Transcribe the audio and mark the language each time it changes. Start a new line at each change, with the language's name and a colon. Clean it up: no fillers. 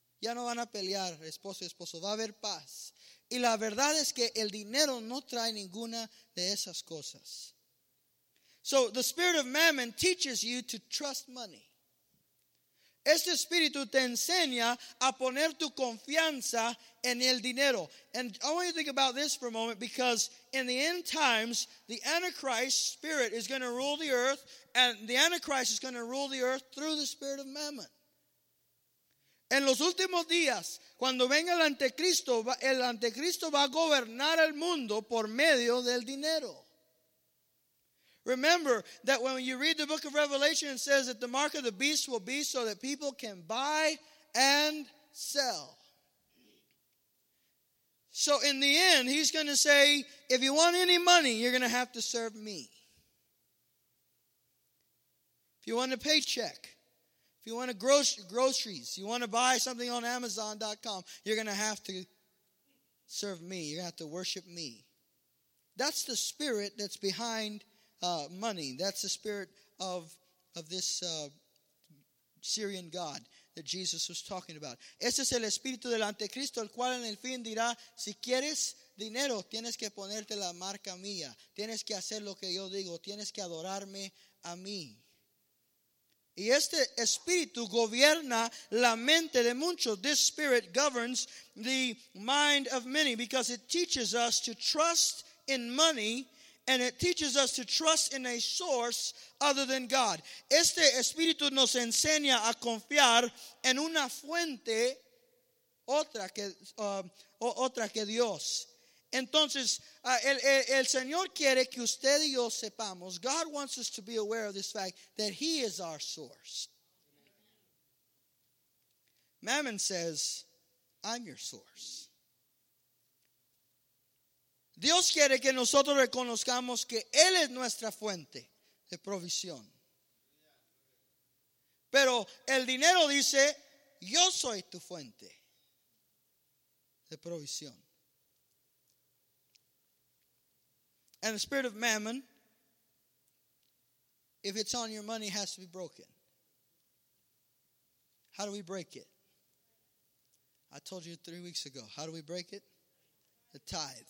Spanish: Ya no van a pelear, esposo y esposo. Va a haber paz. Y la verdad es que el dinero no trae ninguna de esas cosas.
English: So the spirit of mammon teaches you to trust money.
Spanish: Este espíritu te enseña a poner tu confianza en el dinero.
English: And I want you to think about this for a moment, because in the end times, the Antichrist spirit is going to rule the earth, and the Antichrist is going to rule the earth through the spirit of mammon.
Spanish: En los últimos días, cuando venga el anticristo va a gobernar el mundo por medio del dinero.
English: Remember that when you read the book of Revelation, it says that the mark of the beast will be so that people can buy and sell. So in the end, he's going to say, if you want any money, you're going to have to serve me. If you want a paycheck, if you want groceries, you want to buy something on Amazon.com, you're going to have to serve me. You're going to have to worship me. That's the spirit that's behind money. That's the spirit of this Syrian god that Jesus was talking about.
Spanish: Ese es el espíritu del anticristo, el cual en el fin dirá, si quieres dinero, tienes que ponerte la marca mía. Tienes que hacer lo que yo digo. Tienes que adorarme a mí. Y este espíritu gobierna la mente de muchos.
English: This spirit governs the mind of many because it teaches us to trust in money, and it teaches us to trust in a source other than God.
Spanish: Este espíritu nos enseña a confiar en una fuente otra que Dios. Entonces, el Señor quiere que usted y yo sepamos.
English: God wants us to be aware of this fact that he is our source. Mammon says, I'm your source.
Spanish: Dios quiere que nosotros reconozcamos que él es nuestra fuente de provisión. Pero el dinero dice, yo soy tu fuente de provisión.
English: And the spirit of mammon, if it's on your money, has to be broken. How do we break it? I told you 3 weeks ago. How do we break it? The tithe.